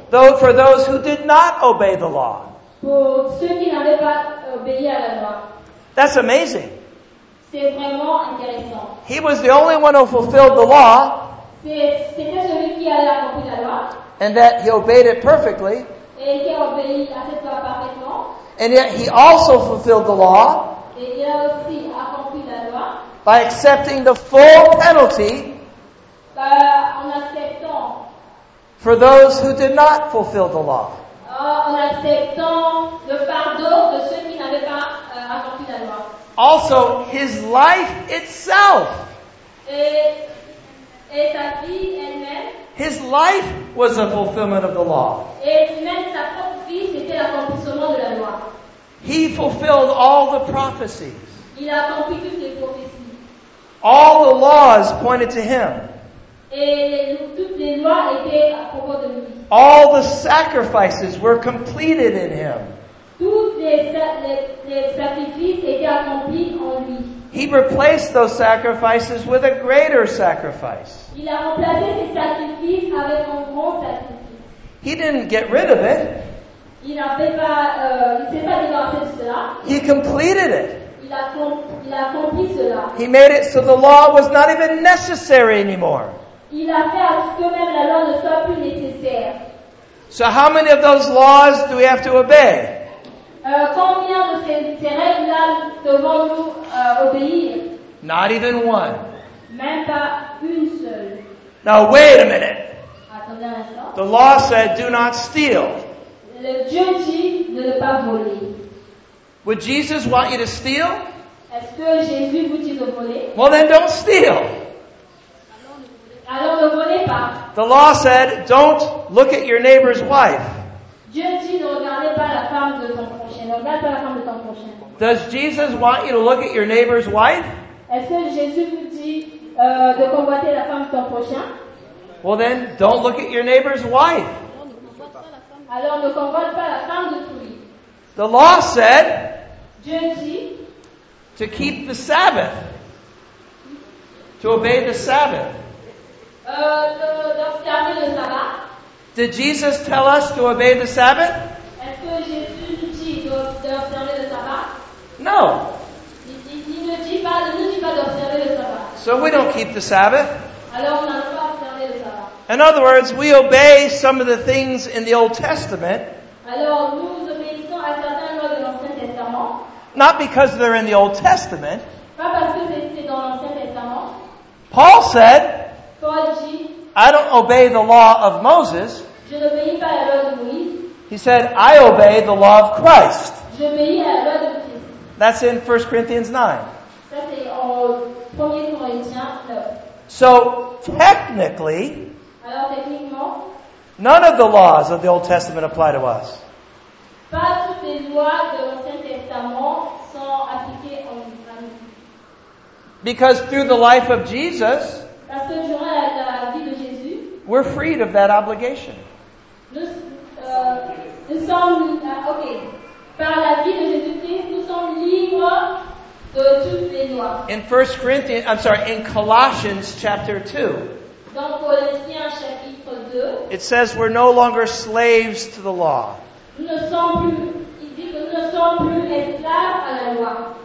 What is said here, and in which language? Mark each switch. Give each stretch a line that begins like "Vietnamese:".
English: Though for those who did not obey the law.
French: Pour ceux qui n'avaient pas obéi à la loi.
English: That's amazing.
French: C'est vraiment intéressant.
English: He was the only one who fulfilled the law.
French: C'était celui qui avait accompli la loi.
English: And that he obeyed it perfectly.
French: Et il a obéi à cette loi parfaitement.
English: And yet he also fulfilled the law.
French: Et il a aussi accompli la loi.
English: By accepting the full penalty.
French: En acceptant.
English: For those who did not fulfill the law.
French: En acceptant le fardeau de ceux qui n'avaient pas accompli la loi.
English: Also, his life itself.
French: Et sa vie elle-même.
English: His life was a fulfillment of the law.
French: Et même sa propre vie, c'était l'accomplissement de la loi.
English: He fulfilled all the prophecies.
French: Il a accompli toutes les prophéties.
English: All the laws pointed to him.
French: Et toutes les lois étaient à propos de lui.
English: All the sacrifices were completed in him.
French: Tous les sacrifices étaient accomplis en lui.
English: He replaced those sacrifices with a greater sacrifice.
French: Il a remplacé ces sacrifices avec un grand sacrifice.
English: He didn't get rid of it.
French: Il n'a fait pas, il s'est pas débarrassé de cela.
English: He completed it.
French: Il a accompli cela.
English: He made it so the law was not even necessary anymore.
French: Il a fait à ce que même la loi ne soit plus nécessaire.
English: So how many of those laws do we have to obey?
French: Combien de ces règles-là devons-nous obéir?
English: Not even one.
French: Même pas une seule.
English: Now wait a minute.
French: Attendez un instant.
English: The law said, do not steal.
French: Le Dieu dit de ne pas voler.
English: Would Jesus want you to steal?
French: Est-ce que Jésus vous dit de voler?
English: Well then don't steal.
French: Alors ne volez pas.
English: The law said, don't look at your neighbor's wife.
French: Dieu dit, ne regardez pas la femme de ton prochain. Ne regarde pas la femme de ton prochain.
English: Does Jesus want you to look at your neighbor's wife?
French: Est-ce que Jésus vous dit de convoiter la femme de ton prochain?
English: Well then, don't look at your neighbor's wife.
French: Alors ne convoite pas la femme de celui.
English: The law said,
French: Dieu dit,
English: to keep the Sabbath, to obey the Sabbath.
French: D'observer le sabbat.
English: Did Jesus tell us to obey the Sabbath?
French: Est-ce que Jésus nous dit d'observer le sabbat?
English: No.
French: Il ne dit pas, ne dit pas d'observer le sabbat.
English: So we don't keep the Sabbath.
French: Alors on n'a pas observé le sabbat.
English: In other words, we obey some of the things in the Old Testament.
French: Alors nous obéissons à certaines lois de l'Ancien Testament.
English: Not because they're in the Old Testament.
French: Pas parce que c'est dans l'Ancien Testament.
English: Paul said,
French: Paul dit,
English: I don't obey the law of Moses.
French: Je n'obéis pas à la loi de Moïse.
English: He said, I obey the law of Christ.
French: J'obéis à la loi de Christ.
English: That's in 1 Corinthians 9.
French: Ça, c'est en 1 Corinthiens 9.
English: So, technically,
French: alors, techniquement,
English: none of the laws of the Old Testament apply to us.
French: Pas toutes les lois de l'Ancien Testament sont appliquées à nous.
English: Because through the life of Jesus,
French: parce que durant la vie de Jésus,
English: we're freed of that obligation.
French: Nous sommes, okay, par la vie de Jésus-Christ, nous sommes libres de toutes les lois.
English: In 1 Corinthians, I'm sorry, in Colossians chapter 2,
French: dans Colossiens chapitre 2,
English: it says we're no longer slaves to the law.
French: Nous ne sommes plus, il dit que nous ne sommes plus esclaves à la loi.